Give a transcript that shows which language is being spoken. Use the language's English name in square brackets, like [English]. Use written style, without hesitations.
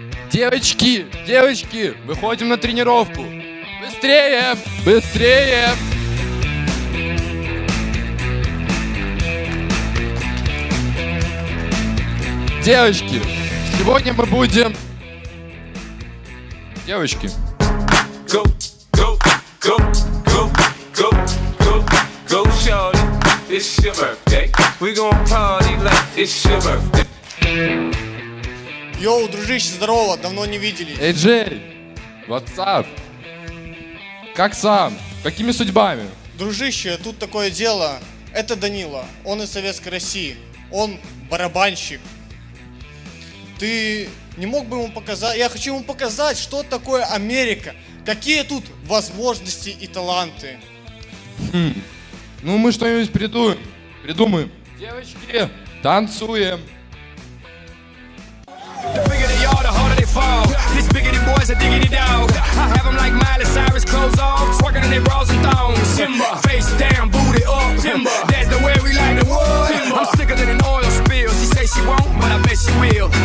[Russian] Девочки, девочки, выходим на тренировку. Быстрее, быстрее. Девочки, сегодня мы будем... Девочки. [English] Go, go, go, go, go, go, go, shorty, it's your birthday. We gonna party like it's your birthday. [Russian] Йоу, дружище, здорово, давно не виделись. [English] Эй, Джей, what's up? [Russian] Как сам? Какими судьбами? Дружище, тут такое дело. Это Данила, он из Советской России. Он барабанщик. Ты не мог бы ему показать? Я хочу ему показать, что такое Америка. Какие тут возможности и таланты. Ну, мы что-нибудь придумаем. Придумаем. Девочки, танцуем. [English] The bigger they are, the harder they fall. This bigger than boys, a diggity dog. I have them like Miley Cyrus, clothes off, twerking in their bras and thongs. Timber, face down, booty up. Timber, that's the way we like the wood. Timber, I'm sicker than an oil spill. She say she won't, but I bet she will.